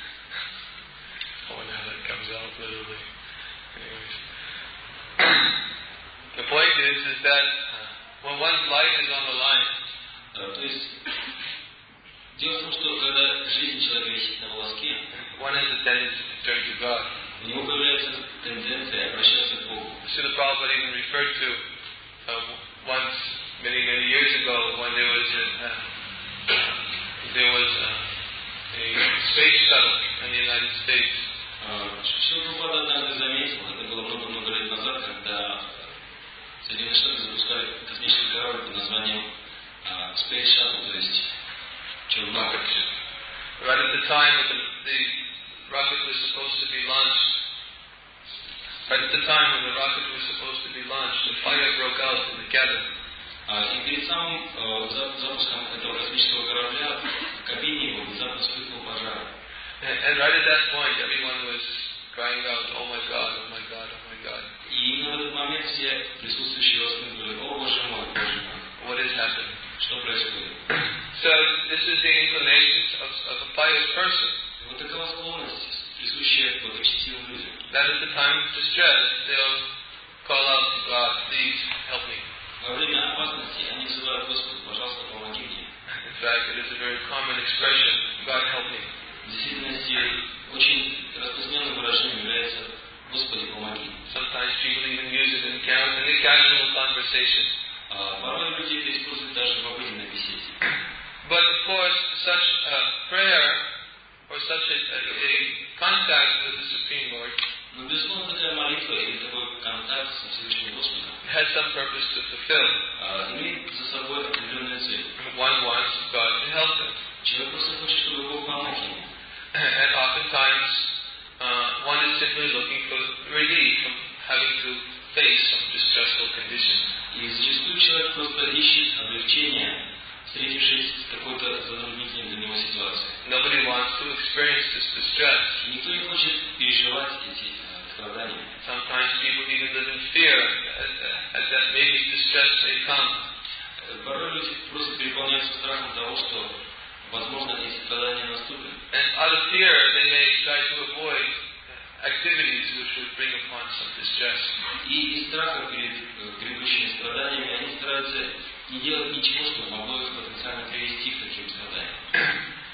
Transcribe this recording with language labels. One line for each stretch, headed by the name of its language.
English: Literally. I wonder how that comes out literally. Anyways. The point is that when one's life is on the line.
Russian: Дело в том, что когда жизнь человека висит на волоске,
English: one has a tendency to turn to God.
Russian: У него появляется тенденция обращаться к Богу.
English: Srila Prabhupada even referred to once many, many years ago when there was a space shuttle in the United States.
Russian: Srila Prabhupada однажды заметил, это было много-много лет назад, когда Соединенные Штаты запускали космический корабль под названием Space Shuttle, то есть
English: rocket. Right at the time when the rocket was supposed to be launched, the fire broke out in the cabin.
Russian: Запуском этого космического корабля в кабине его внезапно вспыхнул пожар.
English: And right at that point, everyone was crying out, "Oh my God! Oh my God! Oh my God!"
Russian: И именно в этот момент все присутствующие воскликнули: "О боже мой! Боже мой!"
English: What has happened?
Russian: Что происходит?
English: So this is the inclination of a pious person.
Russian: Вот такова склонность, присущая благочестивым людям.
English: That at the time of distress, they'll call out to God, "Please help me."
Russian: Во время опасности они взывают Господу: "Пожалуйста, помоги мне."
English: In fact, it is a very common expression, "God help me."
Russian: В действительности очень распространенным выражением является: "Господи, помоги."
English: Sometimes people even use it in a casual conversation.
Russian: Порой люди это используют даже в обыденной беседе.
English: But of course, such a prayer or such a contact with the Supreme Lord
Russian: Но безусловно, такая молитва или такой контакт со Всевышним Господом
English: has some purpose to fulfill.
Russian: Имеет за собой определенную цель.
English: One wants God to help him.
Russian: Человек просто хочет, чтобы Бог помог ему.
English: And oftentimes, one is simply looking for relief from having to face some distressful conditions.
Russian: И зачастую человек просто ищет облегчение, встретившись с какой-то затруднительной для него ситуацией.
English: Nobody wants to experience this distress.
Russian: Никто не хочет переживать эти страдания.
English: Sometimes people even live in fear that maybe distress may come.
Russian: Порой люди просто переполняются страхом того, что возможно, эти страдания наступят.
English: And out of fear, they may try to avoid activities which would bring upon some distress.
Russian: И из страха перед грядущими страданиями они стараются не делать ничего, что могло их потенциально привести к таким страданиям.